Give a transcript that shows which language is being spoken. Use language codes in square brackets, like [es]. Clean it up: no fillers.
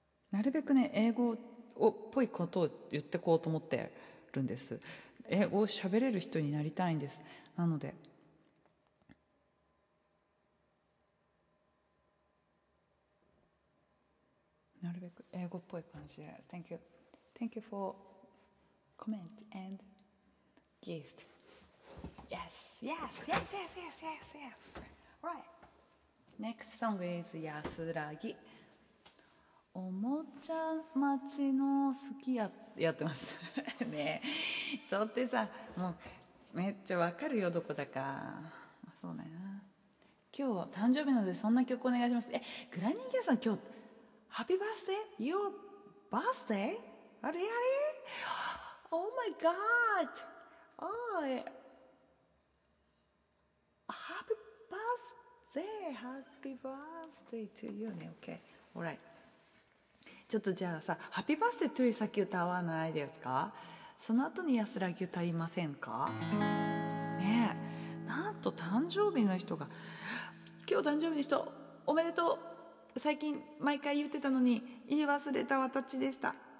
[ja] なるべくね英語っぽいことを言ってこうと思ってるんです。英語を喋れる人になりたいんです。なのでなるべく英語っぽい感じで [en] Thank you. Thank you for comment and gift. Yes, yes, yes, yes, yes, yes, yes. Alright. Next song is 安らぎ。 [ja] おもちゃ町の好きやってますねえ、そってさもうめっちゃわかるよどこだか。そうだよな。今日誕生日なのでそんな曲お願いします。え、グラニーギャさん今日ハッピーバースデー、 [en] Your birthday? [ja] あれあれ [en] Oh my god、 Oh Happy birthday、 Happy birthday to you ね。 OK alright。 [ja] ちょっとじゃあさ、ハッピーバースデートゥイ先歌わないですか。その後に安らぎ歌いませんかね。え、なんと誕生日の人が、今日誕生日の人おめでとう、最近毎回言ってたのに言い忘れた私でした。